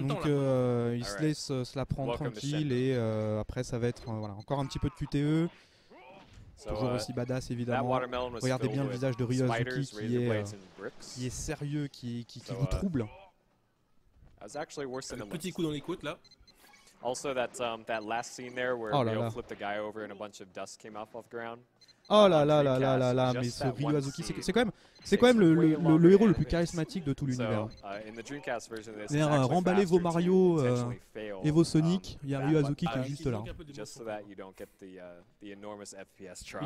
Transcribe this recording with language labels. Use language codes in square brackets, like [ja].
[fr] donc, de temps. Donc il se laisse se la prendre tranquille et après, ça va être encore un petit peu de QTE. Toujours aussi badass évidemment. Regardez bien le visage de Ryo Hazuki qui est sérieux, qui vous trouble. Petit coup dans les côtes là. [en] Also that that last scene there where Ryo flipped the guy over and a bunch of dust came off the ground. [fr] Oh là là là là là là, mais ce Ryo Hazuki, c'est quand même le héros le plus charismatique de tout l'univers. D'ailleurs, remballez vos Mario et vos Sonic, il y a Ryo Hazuki qui est juste là. [en] Just so that you don't get the enormous FPS drop.